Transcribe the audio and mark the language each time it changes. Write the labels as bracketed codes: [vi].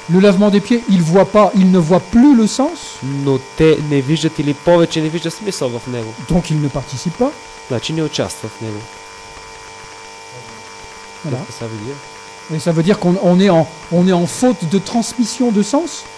[fr] Le lavement des pieds, il voit pas, il ne voit plus le sens. [bg] Но те не виждат или повече не виждат смисъл в него. [fr] Donc il ne participe pas. [bg] Значи не участва в него. [fr] Voilà. Qu'est-ce que ça veut dire? Et ça veut dire qu'on est en faute de transmission de sens.